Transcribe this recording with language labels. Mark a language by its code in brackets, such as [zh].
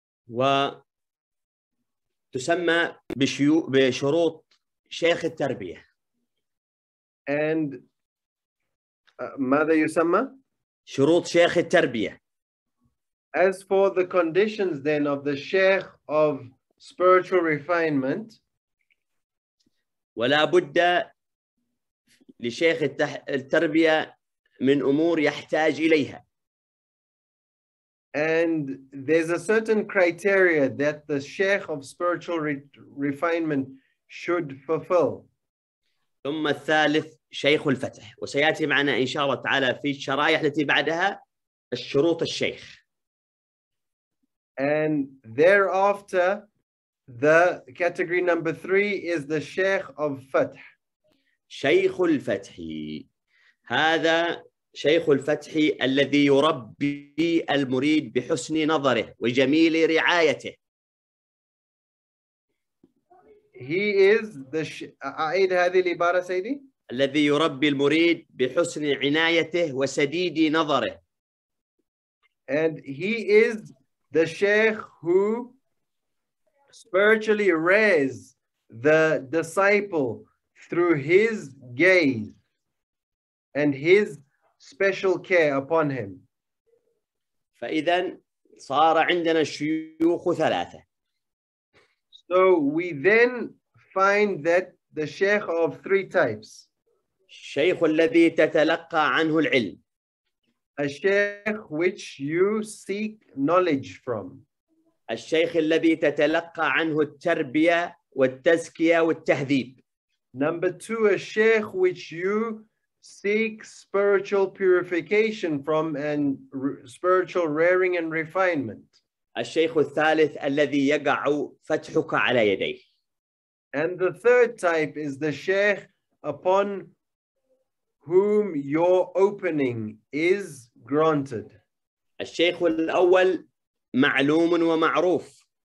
[ar] و تسمى بشروط شيخ التربية. And ماذا يسمى؟ شروط شيخ التربية. [en] As for the conditions then of the sheikh of spiritual refinement. [ar] ولا بد لشيخ التربية من أمور يحتاج إليها. [en] And there's a certain criteria that the sheikh of spiritual refinement should fulfill. [ar] ثم الثالث شيخ الفتح وسيأتي معنا إن شاء الله تعالى في الشرائح التي بعدها الشروط الشيخ. [en] And thereafter, the category number three is the Sheikh of Fath. [ar] شيخ الفتح. هذا شيخ الفتح الذي يربي المريد بحسن نظره وجميل رعايته. [en] He is the [ar] أعيد هذه العبارة سيدي. الذي يربي المريد بحسن عنايته وسديد نظره. [en] And he is the Sheikh who spiritually raised the disciple through his gaze and his special care upon him. [ar] فإذن صار عندنا الشيوخ ثلاثة. [en] So we then find that the Sheikh of three types. [ar] الشيخ الذي تتلقى عنه العلم. [en] A Sheikh which you seek knowledge from. [ar] الشيخ الذي تتلقى عنه التربية والتزكية والتهذيب. [en] Number two, a Sheikh which you seek spiritual purification from and spiritual rearing and refinement. [ar] الشيخ الثالث الذي يقع فتحك على يديه. [en] And the third type is the Sheikh upon whom your opening is granted. [ar] الشيخ الأول معلوم ومعروف.